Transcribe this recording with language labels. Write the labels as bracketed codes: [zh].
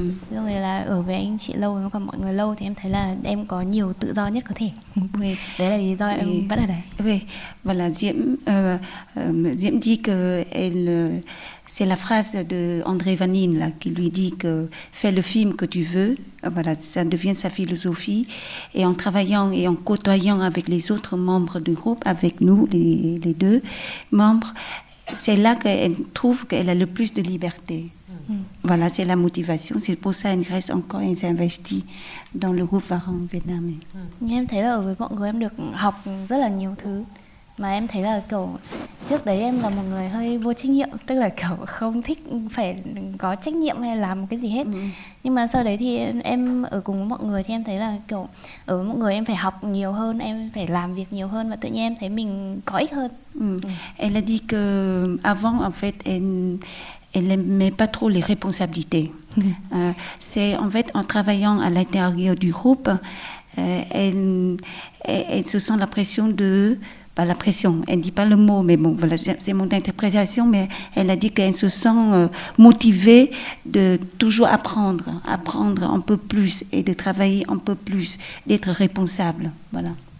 [vi] Rồi là ở với anh chị lâu với cả mọi người lâu thì em thấy là em có nhiều tự do nhất có thể. Đấy là lý do em vẫn ở đây. Và là [fr] Diễm dit que elle c'est la phrase de André Vanine là qui lui dit que fais le film que tu veux. Voilà, ça devient sa philosophie. Et en travaillant et en côtoyant avec les autres membres du groupe, avec nous les deux membres, c'est là qu'elle trouve qu'elle a le plus de liberté. Voilà, c'est la motivation. C'est pour ça qu'elle reste encore et s'investit dans le groupe Var en Vietnam. [vi] Em thấy là ở với mọi người em được học rất là nhiều thứ. Mà em thấy là kiểu trước đấy em là một người hơi vô trách nhiệm, tức là kiểu không thích phải có trách nhiệm hay làm cái gì hết. Nhưng mà sau đấy thì em ở cùng với mọi người thì em thấy là kiểu ở với mọi người em phải học nhiều hơn, em phải làm việc nhiều hơn và tự nhiên em thấy mình có ích hơn. [fr] Elle a dit que avant en fait elle n'aimait pas trop les responsabilités. C'est en fait en travaillant à l'intérieur du groupe, elle se sent la pression de... Pas la pression, elle ne dit pas le mot, mais bon, voilà, c'est mon interprétation, mais elle a dit qu'elle se sent motivée de toujours apprendre un peu plus et de travailler un peu plus, d'être responsable, voilà.